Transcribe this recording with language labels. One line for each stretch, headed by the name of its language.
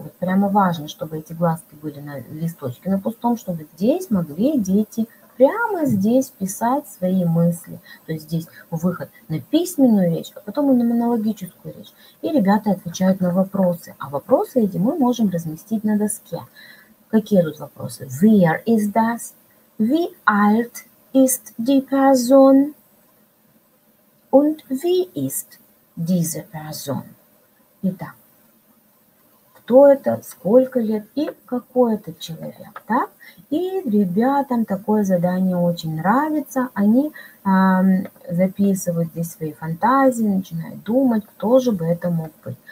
Russian: Вот прямо важно, чтобы эти глазки были на листочке на пустом, чтобы здесь могли дети прямо здесь писать свои мысли. То есть здесь выход на письменную речь, а потом и на монологическую речь. И ребята отвечают на вопросы. А вопросы эти мы можем разместить на доске. Какие тут вопросы?
German: Wer ist das? Wie alt ist die Person? und wie ist diese Person?
Russian: Итак, кто это, сколько лет и какой это человек, так? И ребятам такое задание очень нравится. Они записывают здесь свои фантазии, начинают думать, кто же бы это мог быть.